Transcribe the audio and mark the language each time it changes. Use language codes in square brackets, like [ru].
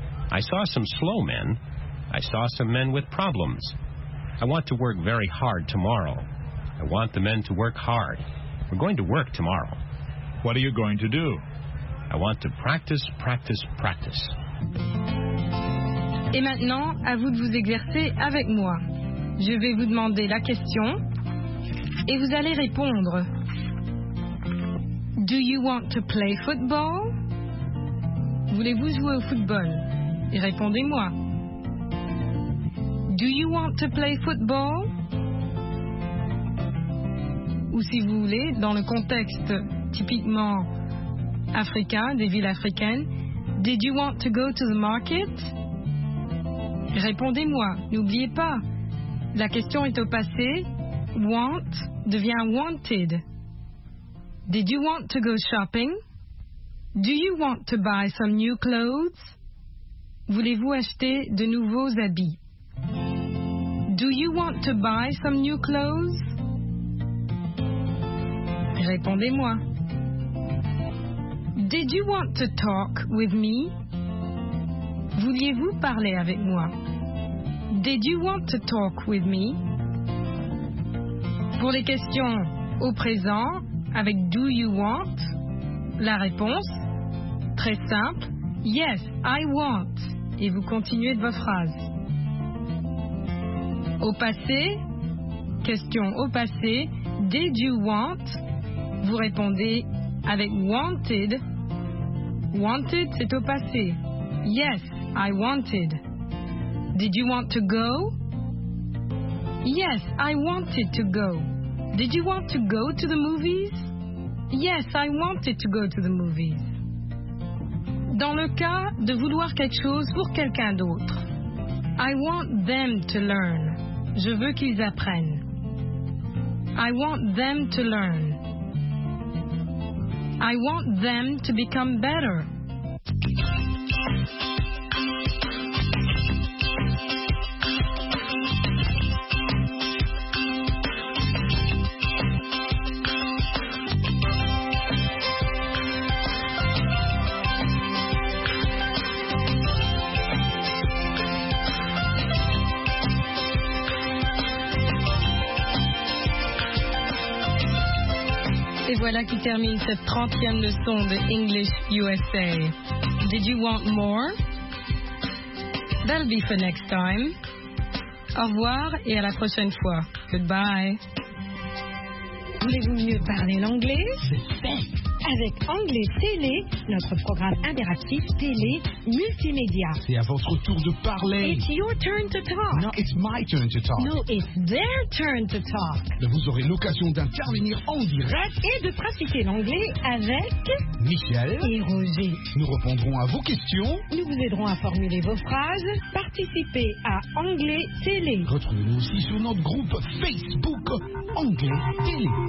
[en] I saw some slow men. I saw some men with problems. I want to work very hard tomorrow. I want the men to work hard. We're going to work tomorrow. What are you going to do? I want to practice, practice, practice. [fr] Et maintenant, à vous de vous exercer avec moi. Je vais vous demander la question et vous allez répondre. [en] Do you want to play football? [fr] Voulez-vous jouer au football? Et répondez-moi. [en] Do you want to play football? [fr] Ou si vous voulez, dans le contexte typiquement africain, des villes africaines, [en] did you want to go to the market? [fr] Répondez-moi. N'oubliez pas, la question est au passé. Want devient wanted. [en] Did you want to go shopping? Do you want to buy some new clothes? [fr] Voulez-vous acheter de nouveaux habits? [en] Do you want to buy some new clothes? [fr] Répondez-moi. [en] Did you want to talk with me? [fr] Vouliez-vous parler avec moi? [en] Did you want to talk with me? [fr] Pour les questions au présent, avec « [en] Do you want ?», [fr] la réponse, très simple, « [en] Yes, I want !» [fr] et vous continuez de votre phrase. Au passé, question au passé, « [en] Did you want ?», [fr] vous répondez avec « Wanted ».« Wanted », c'est au passé. [en] « Yes, I wanted !»« Did you want to go ?»« Yes, I wanted to go !»« Did you want to go to the movies ?» Yes, I wanted to go to the movies. [fr] Dans le cas de vouloir quelque chose pour quelqu'un d'autre. [en] I want them to learn. [fr] Je veux qu'ils apprennent. [en] I want them to learn. I want them to become better. [fr] Voilà qui termine cette 30e leçon de English USA. [en] Did you want more? That'll be for next time. [fr] Au revoir et à la prochaine fois. [en] Goodbye. [fr] Voulez-vous mieux parler l'anglais? Avec Anglais Télé, notre programme interactif télé multimédia. C'est à votre tour de parler. [en] It's your turn to talk. No, it's my turn to talk. No, it's their turn to talk. [fr] Vous aurez l'occasion d'intervenir en direct et de pratiquer l'anglais avec Michel et Roger. Nous répondrons à vos questions. Nous vous aiderons à formuler vos phrases. Participez à Anglais Télé. Retrouvez-nous aussi sur notre groupe Facebook Anglais Télé.